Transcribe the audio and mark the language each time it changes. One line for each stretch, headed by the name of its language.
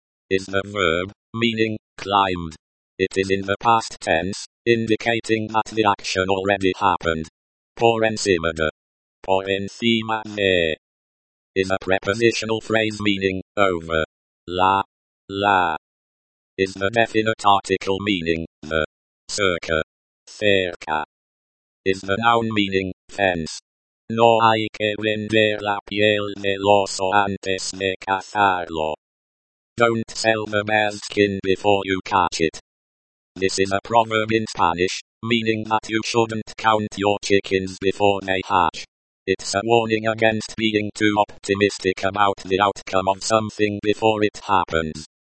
English: Is the verb, meaning, climbed. It is in the past tense, indicating that the action already happened.
Spanish: Por encima de. Por encima de.
English: Is a prepositional phrase meaning, over. La. La. Is the definite article meaning, the. Cerca. Cerca. Is the noun meaning, fence.
Spanish: No hay que vender la piel del oso antes de cazarlo.
English: Don't sell the bear's skin before you catch it. This is a proverb in Spanish, meaning that you shouldn't count your chickens before they hatch. It's a warning against being too optimistic about the outcome of something before it happens.